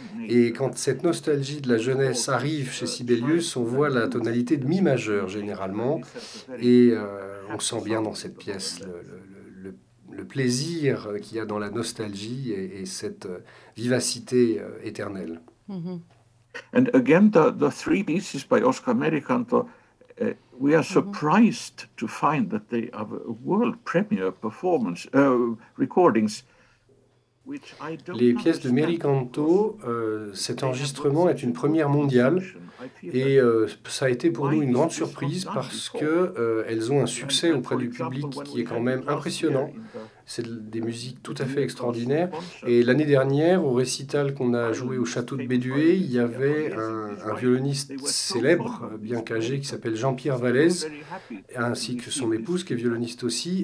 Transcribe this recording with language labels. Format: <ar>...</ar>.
<fr>Et quand cette nostalgie de la jeunesse arrive chez Sibelius, on voit la tonalité de mi majeur généralement. Et on sent bien dans cette pièce le plaisir qu'il y a dans la nostalgie et cette vivacité éternelle. Mm-hmm.</fr> <en>And again, the three pieces by Oscar Mericanto, we are surprised to find that they have a world premiere performance recordings. Which I don't</en> <fr>les pièces de Mericanto, cet enregistrement est une première mondiale. Et ça a été pour nous une grande surprise parce qu'elles ont un succès auprès du public qui est quand même impressionnant. C'est des musiques tout à fait extraordinaires. Et l'année dernière, au récital qu'on a joué au château de Bédué, il y avait un violoniste célèbre, bien qu'âgé, qui s'appelle Jean-Pierre Vallès, ainsi que son épouse qui est violoniste aussi.</fr>